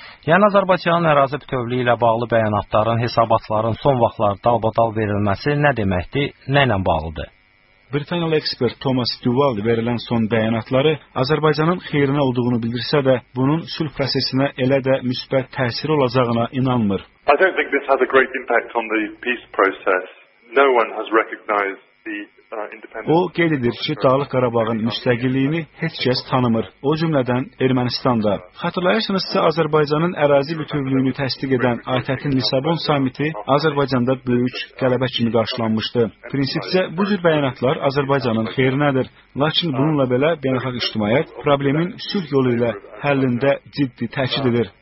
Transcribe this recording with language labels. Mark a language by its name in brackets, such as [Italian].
[Azerbaijani] Yəni, Azərbaycanın ərazi bütövlüyü ilə bağlı bəyanatların, hesabatların son vaxtlar dalbadal verilməsi nə deməkdir, nə ilə bağlıdır? Britaniyalı ekspert Thomas Duval verilən son bəyanatları Azərbaycanın xeyrinə olduğunu bildirsə də, bunun sülh prosesinə elə də müsbət təsir olacağına inanmır. [English] I don't think this has a great impact on the peace process. No one has recognized the... [Azerbaijani] O, qeyd edir ki, Dağlıq Qarabağın müstəqilliyini heç kəs tanımır, o cümlədən Ermənistanda. Xatırlayırsınızsa, Azərbaycanın ərazi bütövlüyünü təsdiq edən ATƏT-in Lisabon samiti Azərbaycanda böyük qələbə kimi qarşılanmışdı. Prinsipcə, bu cür bəyanatlar Azərbaycanın xeyrinədir. Lakin bununla belə beynəlxalq ictimaiyyət problemin sülh yolu ilə həllində ciddi təkid edir.